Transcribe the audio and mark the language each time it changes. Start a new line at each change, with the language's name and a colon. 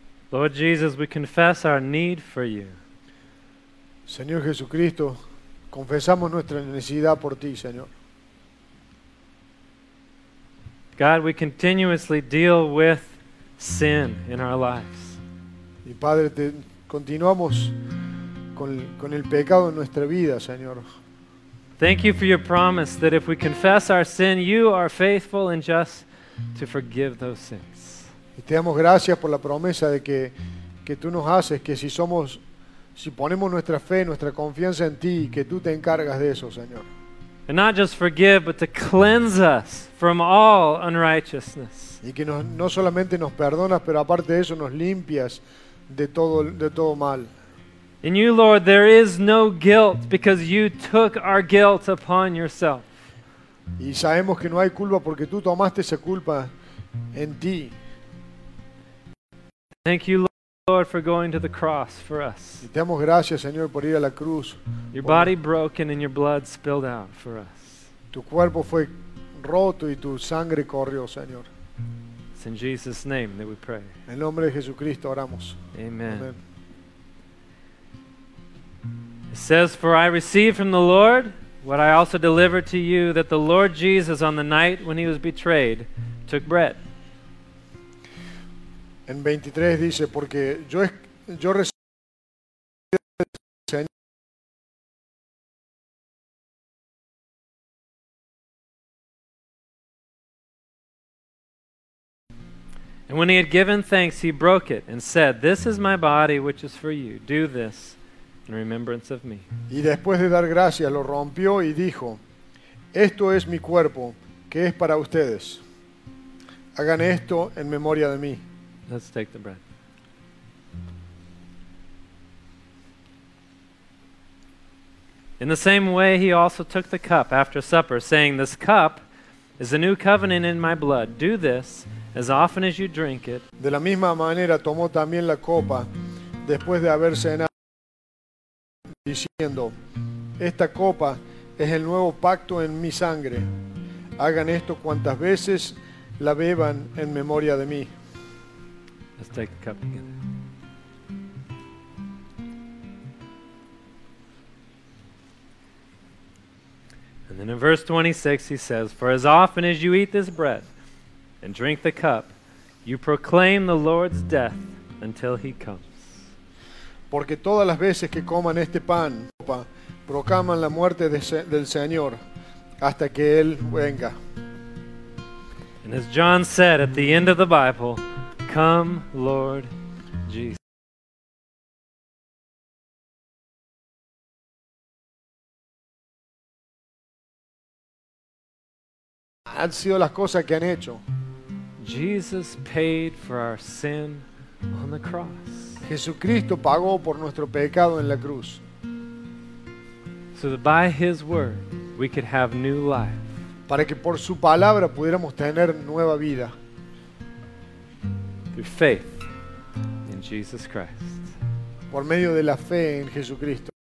English: Lord Jesus, we confess our need for you.
Spanish: Señor Jesucristo, confesamos nuestra necesidad por ti, Señor.
English: God, we continuously deal with sin in our lives.
Spanish: Y Padre, continuamos con el pecado en nuestra vida, Señor.
English: Thank you for your promise that if we confess our sin, you are faithful and just to forgive those sins.
Spanish: Y te damos gracias por la promesa de que tú nos haces, que si ponemos nuestra fe, nuestra confianza en ti, que tú te encargas de eso, Señor.
English: And not just forgive, but to cleanse us from all unrighteousness.
Spanish: Y que no solamente nos perdonas, pero aparte de eso nos limpias de todo mal.
English: In you, Lord, there is no guilt because you took our guilt upon yourself.
Spanish: Y sabemos que no hay culpa porque tú tomaste esa culpa en ti.
English: Thank you, Lord, for going to the cross for us.
Spanish: Y te damos gracias, Señor, por ir a la cruz.
English: Your body broken and your blood spilled out for us.
Spanish: Tu cuerpo fue roto y tu sangre corrió, Señor.
English: It's in Jesus' name that we pray.
Spanish: En el nombre de Jesucristo oramos.
English: Amen. Amen. It says, "For I received from the Lord what I also delivered to you, that the Lord Jesus, on the night when he was betrayed, took bread."
Spanish: En 23 dice, porque yo recibí del Señor.
English: And when he had given thanks, he broke it and said, "This is my body which is for you. Do this in remembrance of me."
Spanish: Y después de dar gracias, lo rompió y dijo, "Esto es mi cuerpo, que es para ustedes. Hagan esto en memoria de mí."
English: Let's take the bread. In the same way, he also took the cup after supper, saying, "This cup is a new covenant in my blood. Do this as often as you drink it."
Spanish: De la misma manera, tomó también la copa después de haber cenado, diciendo, "Esta copa es el nuevo pacto en mi sangre. Hagan esto cuantas veces la beban en memoria de mí."
English: Let's take the cup together. And then in verse 26 he says, "For as often as you eat this bread and drink the cup, you proclaim the Lord's death until he comes."
Spanish: Porque todas las veces que coman este pan, proclaman la muerte del Señor hasta que él venga.
English: And as John said at the end of the Bible, "Come, Lord Jesus."
Spanish: Han sido las cosas que han hecho.
English: Jesus paid for our sin on the cross.
Spanish: Jesucristo pagó por nuestro pecado en la cruz.
English: So that by his word we could have new life.
Spanish: Para que por su palabra pudiéramos tener nueva vida.
English: Through faith in Jesus Christ.
Spanish: Por medio de la fe en Jesucristo.